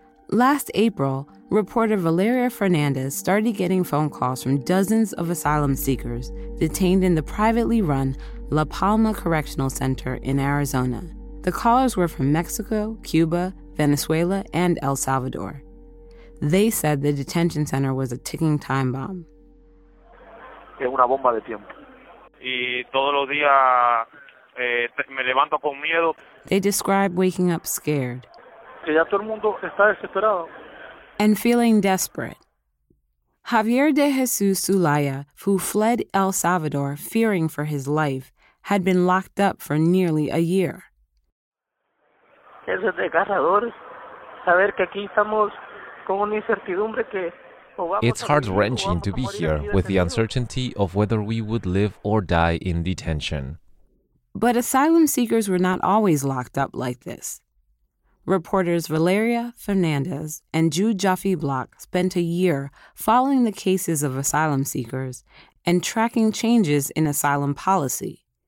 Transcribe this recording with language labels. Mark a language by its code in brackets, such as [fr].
[en] Last April, reporter Valeria Fernandez started getting phone calls from dozens of asylum seekers detained in the privately run La Palma Correctional Center in Arizona. The callers were from Mexico, Cuba, Venezuela, and El Salvador. They said the detention center was a ticking time bomb. [es] Es una bomba de tiempo. Y todos los días me levanto con miedo. [en] They describe waking up scared. [es] Que ya todo el mundo está desesperado. [en] And feeling desperate. Javier de Jesús Zulaya, who fled El Salvador fearing for his life, had been locked up for nearly a year. [es] Es desgarrador saber que aquí estamos con una incertidumbre que... [en] It's heart-wrenching to be here with the uncertainty of whether we would live or die in detention. But asylum seekers were not always locked up like this. Reporters Valeria Fernandez and Jude Jaffe Block spent a year following the cases of asylum seekers and tracking changes in asylum policy.